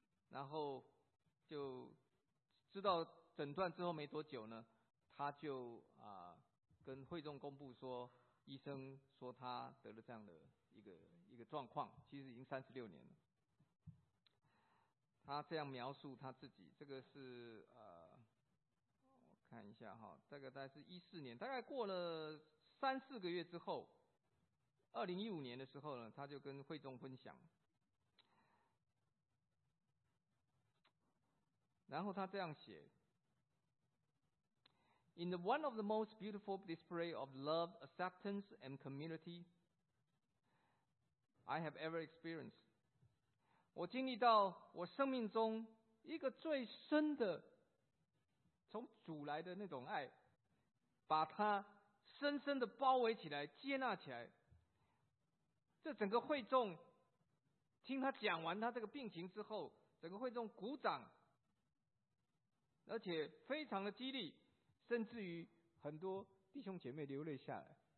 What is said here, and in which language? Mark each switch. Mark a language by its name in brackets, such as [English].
[Chinese] 然后就知道诊断之后没多久呢，他就跟会众公布说，医生说他得了这样的一个状况，其实已经36年了。他这样描述他自己，这个是我看一下哈，这个大概是14年，大概过了三四个月之后，2015年的时候呢，他就跟会众分享。然后他这样写， [English] In the one of the most beautiful display of love, acceptance and community I have ever experienced. [Chinese] 我经历到我生命中一个最深的从主来的那种爱，把它深深的包围起来，接纳起来。这整个会众听他讲完他这个病情之后，整个会众鼓掌，而且非常的激励，甚至于很多弟兄姐妹流泪下来。